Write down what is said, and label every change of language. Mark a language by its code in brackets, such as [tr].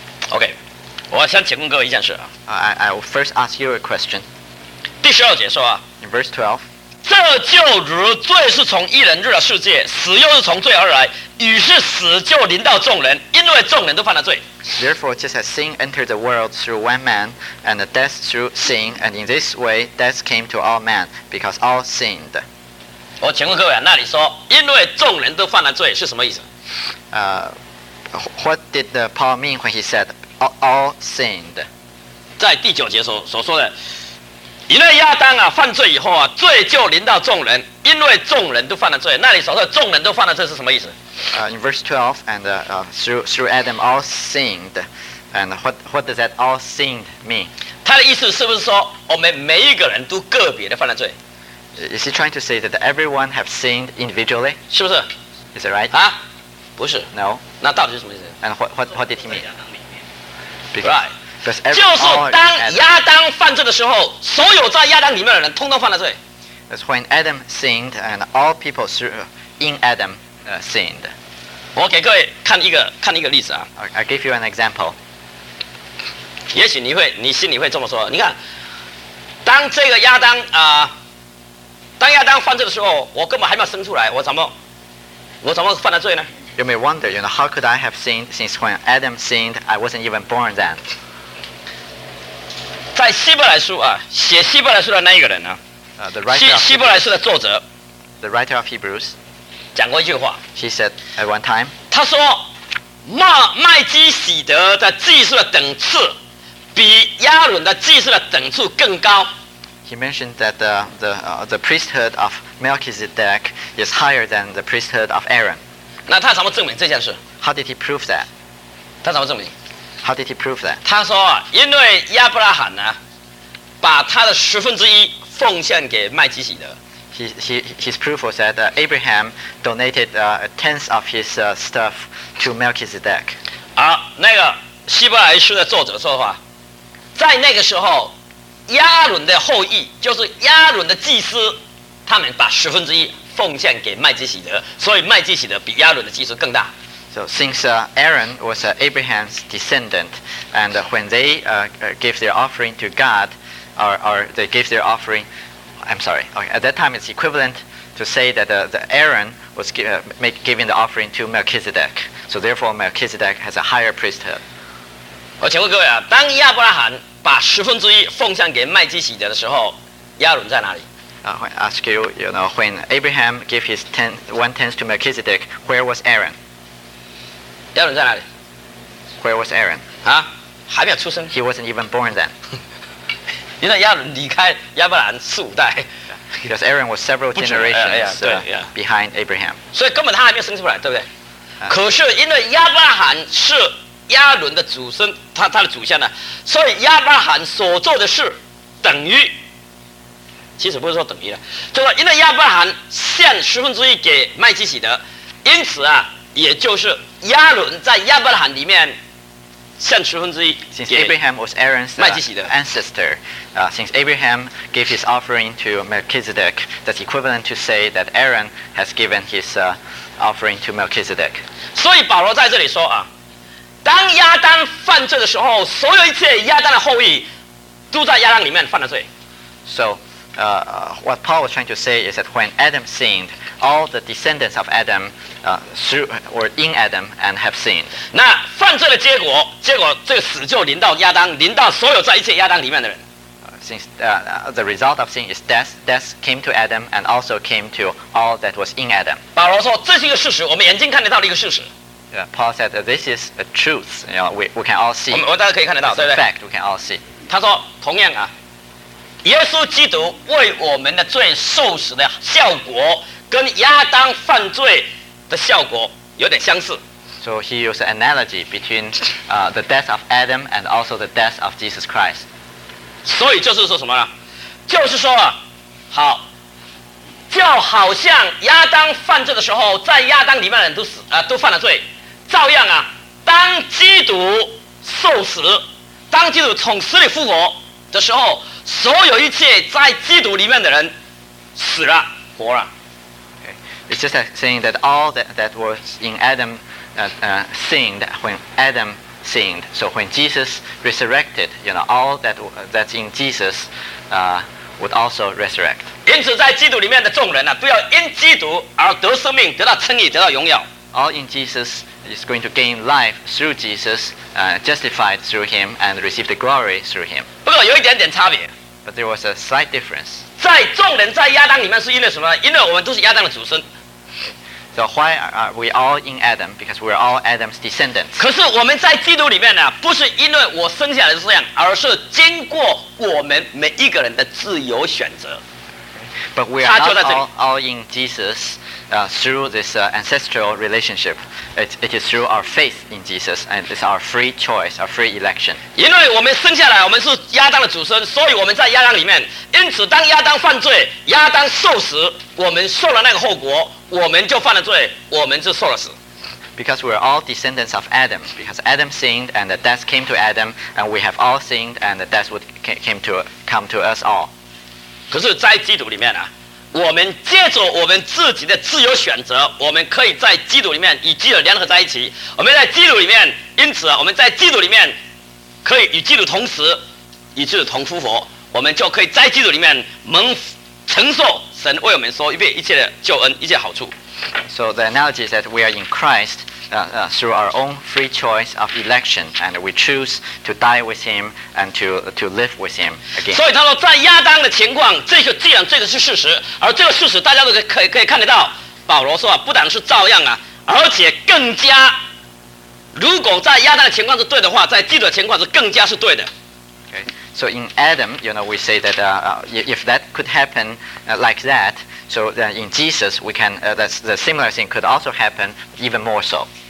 [en] Okay. [zh] 我想请问各位一件事啊。 [en] I will first ask you a question. [zh] 第十二节说啊。 [en] In verse 12. [zh] 这就如罪是从一人入了世界，死又是从罪而来，于是死就临到众人，因为众人都犯了罪。 [en] Therefore, just as sin entered the world through one man, and death through sin, and in this way death came to all men because all sinned. [zh] 我请问各位啊，那里说因为众人都犯了罪是什么意思？ [en] What did Paul mean when he said all sinned? [zh] 在第九节所说的。因为亚当啊犯罪以后啊，罪就临到众人，因为众人都犯了罪。那里所说的众人都犯了罪是什么意思？ [en] In verse 12, and through Adam all sinned, and what does that all sinned mean? [zh] 他的意思是不是说我们每一个人都个别的犯了罪 [en] ？Is he trying to say that everyone have sinned individually? [zh] 是不是 [en] ？Is it right? [zh] 啊，不是。 [en] No. [zh] 那到底是什么意思 [en] ？And what did he mean? Right. [zh] 就是当亚当犯罪的时候，所有在亚当里面的人通通犯了罪。 [en] That's when Adam sinned, and all people in Adam sinned. [zh] 我给各位看一个例子啊。 [en] I give you an example. [zh] 也许你心里会这么说：你看，当这个亚当当亚当犯罪的时候，我根本还没有生出来，我怎么犯了罪呢 [en] ？You may wonder, you know, how could I have sinned? Since when Adam sinned, I wasn't even born then. [zh] 在希伯来书啊，写希伯来书的那一个人呢、啊？希伯来书的作者 [en] ，The writer of Hebrews， [zh] 讲过一句话。 [en] He said at one time， [zh] 他说，麦基洗德的祭司的等次，比亚伦的祭司的等次更高。 [en] He mentioned that the priesthood of Melchizedek is higher than the priesthood of Aaron。 [zh] 那他怎么证明这件事 [en] ？How did he prove that？ [zh] 他怎么证明？ [en] How did he prove that? [zh] 他说，因为亚伯拉罕呢，把他的十分之一奉献给麦基洗德。 [en] His proof was that Abraham donated a tenth of his stuff to Melchizedek. [zh] 那个希伯来书的作者说的话，在那个时候，亚伦的后裔，就是亚伦的祭司，他们把十分之一奉献给麦基洗德，所以麦基洗德比亚伦的祭司更大。 [en] So since Aaron was Abraham's descendant, and when they gave their offering to God, or they gave their offering, I'm sorry, okay, at that time it's equivalent to say that the Aaron was giving the offering to Melchizedek. So therefore Melchizedek has a higher priesthood. [zh] 我请问各位啊，当亚伯拉罕把十分之一奉献给麦基洗德的时候，亚伦在哪里？ [en] I ask you, you know, when Abraham gave his one-tenth to Melchizedek, where was Aaron? [zh] 亚伦在哪里 [en] ？Where was Aaron？ [zh] 啊，还没有出生。 [en] He wasn't even born then. [zh] 因为亚伦离开亚伯兰四五代。 [en] Because Aaron was several generations behind Abraham. [zh] 所以根本他还没有生出来，对不对？可是因为亚伯兰是亚伦的祖孙，他的祖先呢，所以亚伯兰所做的事等于，其实不是说等于了，就是因为亚伯兰献十分之一给麦基洗德，因此啊，也就是亚伦在亚伯兰里面献十分之一给麦基洗德。 [en] Since Abraham was Aaron's ancestor, since Abraham gave his offering to Melchizedek, that's equivalent to say that Aaron has given his offering to Melchizedek. [zh] 所以保罗在这里说啊。当亚当犯罪的时候，所有一切亚当的后裔都在亚当里面犯了罪。 [en] So, what Paul was trying to say is that when Adam sinned, all the descendants of Adam, in Adam and have sinned. [zh] 那犯罪的结果这个死就临到亚当，临到所有在一切亚当里面的人。 [en] The result of sin is death. Death came to Adam and also came to all that was in Adam. [zh] 保罗说，这是一个事实，我们眼睛看得到的一个事实。 [en] Yeah, Paul said that this is a truth. You know, we can all see. [zh] 我们大家可以看得到，对不对 [en] ？Fact, we can all see. [zh] 他说，同样啊，耶稣基督为我们的罪受死的效果，跟亚当犯罪的效果有点相似。 [en] So he used an analogy between the death of Adam and also the death of Jesus Christ. [zh] 所以就是说什么呢？就是说啊，好。就好像亚当犯罪的时候，在亚当里面的人都犯了罪，照样啊，当基督受死，当基督从死里复活的时候，所有一切在基督里面的人死了，活了。 [en] Okay. It's just like saying that all that was in Adam, sinned when Adam sinned. So when Jesus resurrected, you know, all that's in Jesus, would also resurrect. [zh] 因此在基督里面的众人、啊、都要因基督而得生命，得到称义，得到荣耀。 [en] All in Jesus is going to gain life through Jesus, justified through him and receive the glory through him. [zh] 不过有一点点差别。 [en] But there was a slight difference. [zh] 在众人在亚当里面是因为什么？因为我们都是亚当的祖孙。 [en] So why are we all in Adam? Because we are all Adam's descendants. [zh] 可是我们在基督里面、啊、不是因为我生下来是这样，而是经过我们每一个人的自由选择。 [en] But we are not all in Jesus through this ancestral relationship. It is through our faith in Jesus, and it's our free choice, our free election. [zh] 因为我们生下来，我们是亚当的祖孙，所以我们在亚当里面。因此，当亚当犯罪，亚当受死，我们受了那个后果，我们就犯了罪，我们就受了死。 [en] Because we are all descendants of Adam, because Adam sinned and the death came to Adam, and we have all sinned and the death would come to us all. [zh] 可是在基督里面、啊、我们借着我们自己的自由选择，我们可以在基督里面与基督联合在一起，我们在基督里面，因此我们在基督里面可以与基督同死，与基督同复活，我们就可以在基督里面蒙承受神为我们所预备一切的救恩，一切好处。 [en] So the analogy is that we are in Christ through our own free choice of election, and we choose to die with him and to live with him again. [zh] 所以他说，在亚当的情况，这个既然这个是事实，而这个事实大家都可以看得到。保罗说啊，不但是照样啊，而且更加，如果在亚当的情况是对的话，在基督的情况是更加是对的。 [en] Okay. So in Adam, you know, we say that if that could happen like that. So then in Jesus, we can, that's the similar thing could also happen even more so.